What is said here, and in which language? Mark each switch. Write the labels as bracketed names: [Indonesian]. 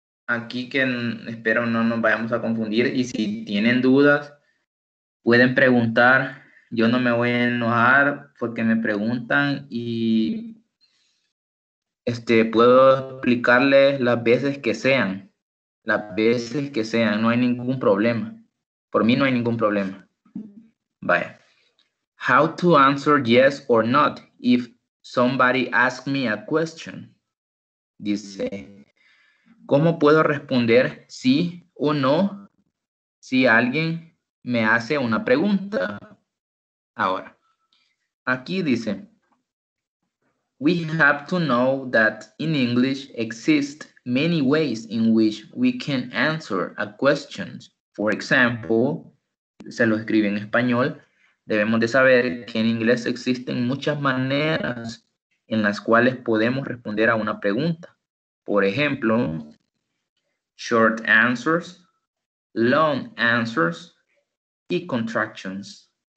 [Spanish] aquí que espero no nos vayamos a confundir, y si tienen dudas, pueden preguntar. Yo no me voy a enojar porque me preguntan y puedo explicarles las veces que sean, no hay ningún problema. Por mí no hay ningún problema. Vaya. [English] How to answer yes or not if somebody asks me a question. [Spanish] Dice, ¿cómo puedo responder sí o no si alguien me hace una pregunta? Ahora, aquí dice, [English] we have to know that in English exist many ways in which we can answer a question. For example, [Spanish] se lo escribe en español, debemos de saber que en inglés existen muchas maneras en las cuales podemos responder a una pregunta. Por ejemplo, short answers, long answers y contractions.